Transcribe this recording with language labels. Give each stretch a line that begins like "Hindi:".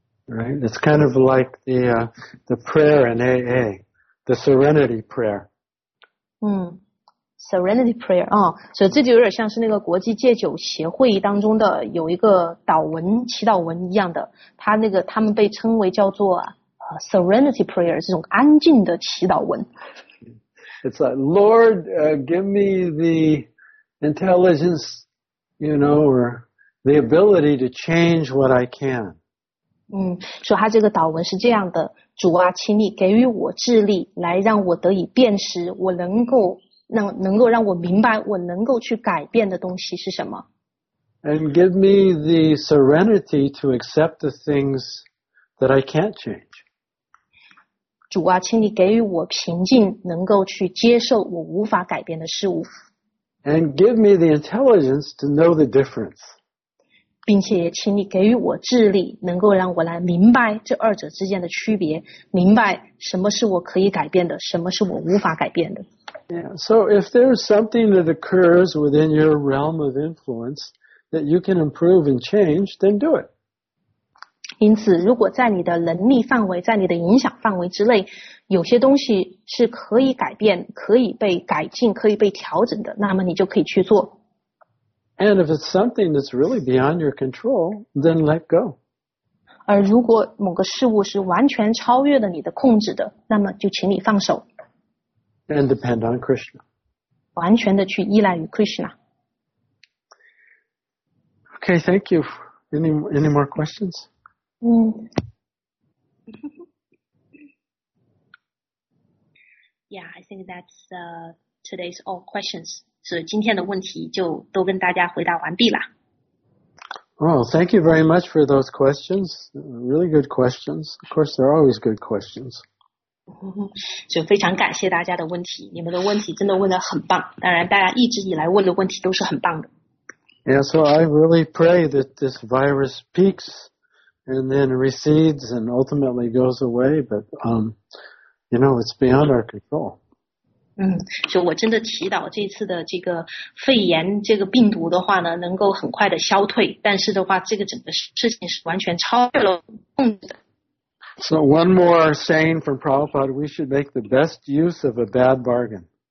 English: Right, it's kind of like the prayer in AA, the Serenity Prayer.
Chinese: Serenity Prayer 啊，所以这就有点像是那个国际戒酒协会当中的有一个祷文、祈祷文一样的，他那个他们被称为叫做Serenity Prayer 这种安静的祈祷文。
English: It's like Lord, give me the intelligence, you know, or the ability to change what I can.
Chinese: 所以他这个祷文是这样的：主啊，请你给予我智力，来让我得以辨识，我能够。能够让我明白我能够去改变的东西是什么。
English: And give me the serenity to accept the things that I can't change.
Chinese: 主啊，请你给予我平静，能够去接受我无法改变的事物。
English: And give me the intelligence to know the difference.
Chinese: 并且请你给予我智力，能够让我来明白这二者之间的区别，明白什么是我可以改变的，什么是我无法改变的。
English: Yeah, so if there's something that occurs within your realm of influence that you can improve and change, then do it.
Chinese: 因此，如果在你的能力范围，在你的影响范围之内，有些东西是可以改变，可以被改进，可以被调整的，那么你就可以去做。
English: And if it's something that's really beyond your control, then let go.
Chinese: 而如果某个事物是完全超越了你的控制的，那么就请你放手。
English: And depend on Krishna.
Chinese: 完全的去依赖于 Krishna.
English: Okay, thank you. Any more questions? Yeah, I think that's today's all questions.
Chinese: So, 今天的问题就都跟大家回答完毕了。
English: Oh, thank you very much for those questions. Really good questions. Of course, they're always good questions.
Chinese: 就非常感谢大家的问题，你们的问题真的问得很棒，当然大家一直以来问的问题都是很棒的。
English: Yeah, so I really pray that this virus peaks and then recedes and ultimately goes away, but you know, it's beyond our control.
Chinese: 就我真的祈祷这次的这个肺炎这个病毒的话呢能够很快的消退，但是的话这个整个事情是完全超越了控制的。
English: So one more saying from Prabhupada, we should make the best use of a bad bargain.